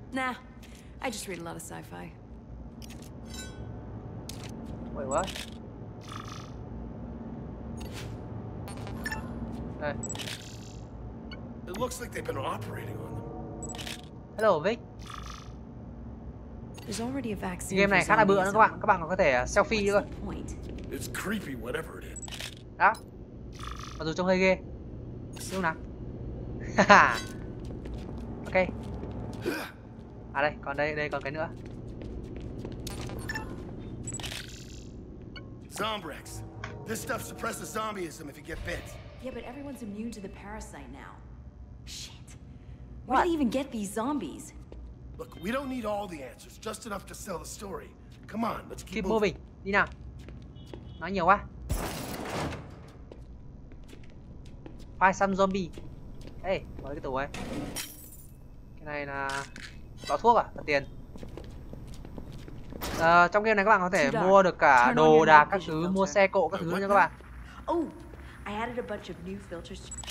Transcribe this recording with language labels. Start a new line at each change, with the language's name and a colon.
English: Nah, I just read a lot of sci-fi. Wait, what?
Vietnamese: Đây.
English: It looks like they've been operating on them. Hello, Vic.
Vietnamese: Game này khá là bựa nữa các bạn có thể selfie nữa
English: It's creepy whatever it is.
Vietnamese: Đó. Mặc dù trông hơi ghê. Xíu nào.
English: Ok.
Vietnamese: À đây, còn đây, đây còn cái nữa.
English: Zombrex. This stuff suppresses zombieism if you get bit. Yeah, but everyone's immune to the parasite now. Shit. Where do they even get these zombies? Look, we don't need all the answers, just enough to sell the story. Come on, let's keep, keep moving.
Vietnamese: Đi nào. Nói nhiều quá.
English: Find some zombie.
Vietnamese: Ê, mở cái tủ ấy. Cái này là có thuốc à, là tiền. À, trong game này các bạn có thể mua được cả đồ đạc các thứ, mua xe cộ các thứ nha các bạn.
English: Oh, I added a bunch of new filters.